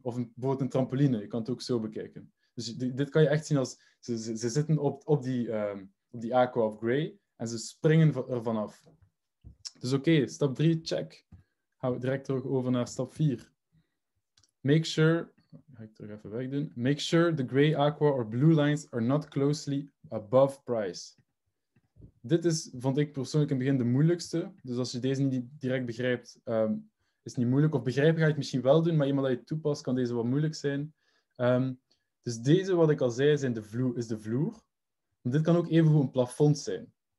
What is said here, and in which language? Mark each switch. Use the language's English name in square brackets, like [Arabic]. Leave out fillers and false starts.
[Dutch] Of bijvoorbeeld een trampoline. Je kan het ook zo bekijken. Dus dit kan je echt zien als ze zitten op die aqua of gray. En ze springen er vanaf. Dus stap 3, check. Gaan we direct terug over naar stap 4. [English] Make sure... [Dutch] Ga ik terug even wegdoen. [English] Make sure the gray, aqua or blue lines are not closely above price. [Dutch] Dit is, vond ik persoonlijk in het begin, de moeilijkste. Dus als je deze niet direct begrijpt... is niet moeilijk. Of begrijpen ga je het misschien wel doen, maar iemand dat je toepast, kan deze wat moeilijk zijn. Dus deze, wat ik al zei, is de vloer. Maar dit kan ook evengoed een plafond zijn.